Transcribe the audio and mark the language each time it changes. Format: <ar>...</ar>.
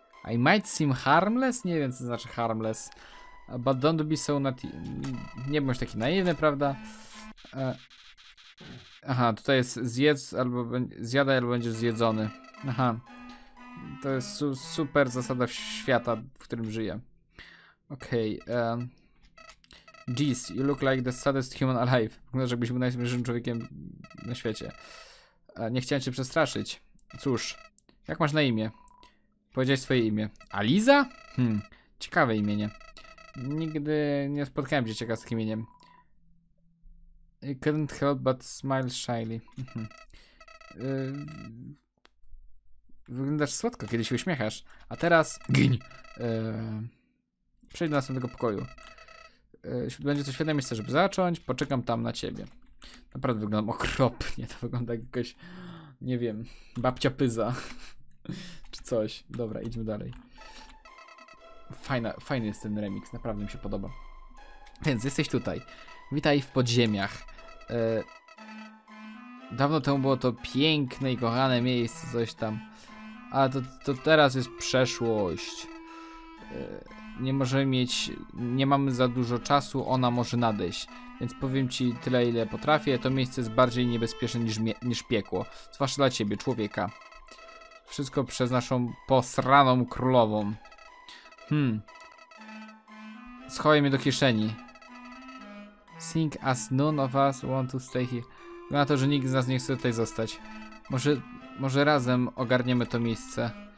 <en>I might seem harmless?</en> <pl>Nie wiem, co znaczy harmless.</pl> <en>But don't be so naive.</en> <pl>Nie bądź taki naiwny, prawda? Aha, tutaj jest zjedz albo... Zjadaj albo będziesz zjedzony. Aha. To jest super zasada świata, w którym żyję. Okej.</pl> <en>Okay, geez, you look like the saddest human alive.</en> <pl>Wyglądasz, jakbyś był najsmutniejszym człowiekiem na świecie. Nie chciałem cię przestraszyć. Cóż, jak masz na imię? Powiedziałeś swoje imię. Aliza? Ciekawe imienie. Nigdy nie spotkałem się z takim imieniem.</pl> <en>I couldn't help but smile shyly.</en> <pl>Wyglądasz słodko, kiedy się uśmiechasz. A teraz... Giń! Przejdź do następnego pokoju. Będzie to świetne miejsce, żeby zacząć. Poczekam tam na ciebie. Naprawdę wyglądam okropnie. To wygląda jak jakoś, nie wiem, babcia pyza. Czy coś. Dobra, idźmy dalej. Fajny jest ten remix. Naprawdę mi się podoba. Więc jesteś tutaj. Witaj w podziemiach. Dawno temu było to piękne i kochane miejsce, coś tam. Ale to teraz jest przeszłość. Nie możemy mieć, nie mamy za dużo czasu, ona może nadejść. Więc powiem ci tyle, ile potrafię. To miejsce jest bardziej niebezpieczne niż piekło. Zwłaszcza dla ciebie, człowieka. Wszystko przez naszą posraną królową. Schowaj mnie do kieszeni.</pl> <en>Think as none of us want to stay here.</en> <pl>Wygląda to, że nikt z nas nie chce tutaj zostać. Może razem ogarniemy to miejsce.</pl>